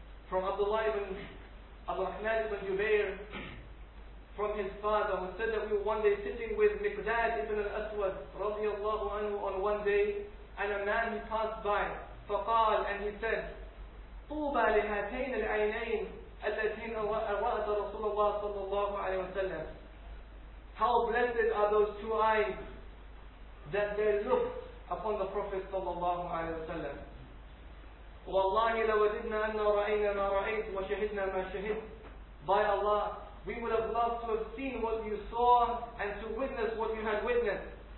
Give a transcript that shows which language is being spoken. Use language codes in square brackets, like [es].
[en] from Abdullah ibn عبد الرحمن بن جبير from his father, who said that we were one day sitting with Miqdad ibn al-Aswad radiallahu anhu on one day, and a man he passed by, فقال, and he said, [ar] طوبى لهاتين العينين اللتين أرأت رسول الله صلى الله عليه وسلم. [en] How blessed are those two eyes that they looked upon the Prophet صلى الله عليه وسلم. [ar] والله لوددنا أن رأينا ما رأيت وشهدنا ما شهد. [en] By Allah, we would have loved to have seen what you saw and to witness what you had witnessed.